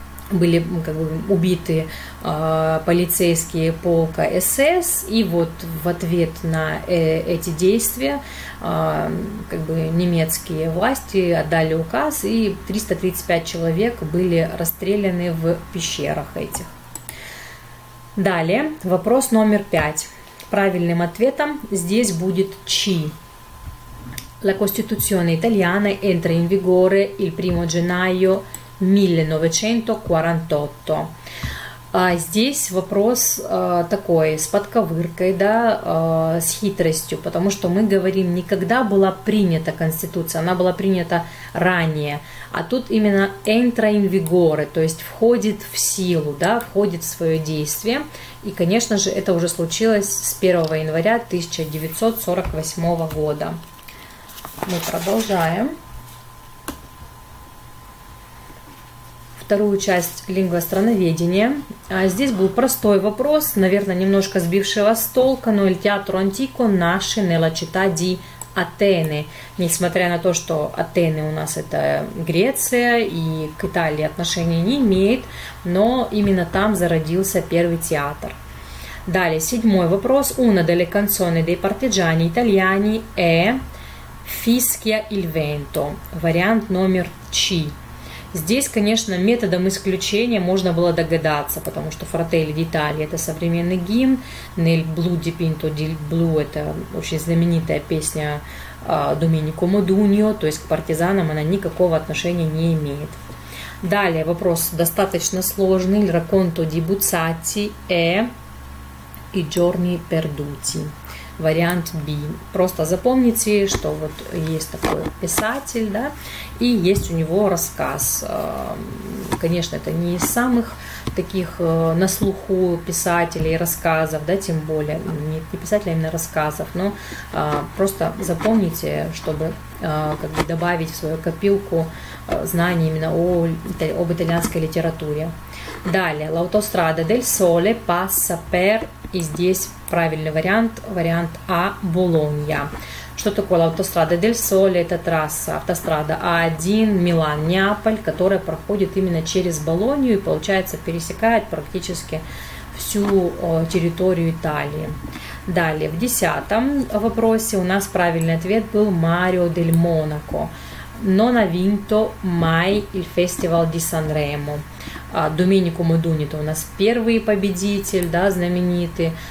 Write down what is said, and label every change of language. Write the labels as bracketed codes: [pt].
[ru] были как бы убиты полицейские полка СС, и вот в ответ на эти действия как бы немецкие власти отдали указ, и 335 человек были расстреляны в пещерах этих. Далее, вопрос номер 5. Правильным ответом здесь будет «чи». [it] La Costituzione italiana entra in vigore il 1° gennaio 1948. [ru] А здесь вопрос такой, с подковыркой, да, с хитростью, потому что мы говорим, не когда была принята Конституция, она была принята ранее, а тут именно [it] entra in vigore, [ru] то есть входит в силу, да, входит в свое действие. И, конечно же, это уже случилось с 1 января 1948 года. Мы продолжаем. Вторую часть лингвостроноведения. Здесь был простой вопрос, наверное, немножко сбивший вас с толка, но [it] il teatro antico nasce nella città di Atene. [ru] Несмотря на то, что Атены у нас это Греция и к Италии отношения не имеет, но именно там зародился первый театр. Далее, седьмой вопрос. [it] Una delle canzoni dei partigiani italiani è Fischia il vento. [ru] Вариант номер C. Здесь, конечно, методом исключения можно было догадаться, потому что Fratelli d'Italia – это современный гимн, Nel blu dipinto di blu – это очень знаменитая песня Domenico Modugno, то есть к партизанам она никакого отношения не имеет. Далее вопрос достаточно сложный. [it] Il racconto di Buzzati è «I giorni perduti». [ru] Вариант B. Просто запомните, что вот есть такой писатель, да, и есть у него рассказ. Конечно, это не из самых таких на слуху писателей, рассказов, да, тем более, не писателей, а именно рассказов, но просто запомните, чтобы как бы добавить в свою копилку знаний именно об итальянской литературе. Далее, [it] l'autostrada del sole passa per, [ru] и здесь правильный вариант, вариант А, Болонья. Что такое l'autostrada del sole? Это трасса, автострада А1, Милан-Неаполь, которая проходит именно через Болонью и, получается, пересекает практически всю территорию Италии. Далее, в 10-м вопросе у нас правильный ответ был Марио дель Монако. [it] Non ha vinto mai il Festival di Sanremo. [ru] Domenico Modugno – это у нас первый победитель, да, знаменитый.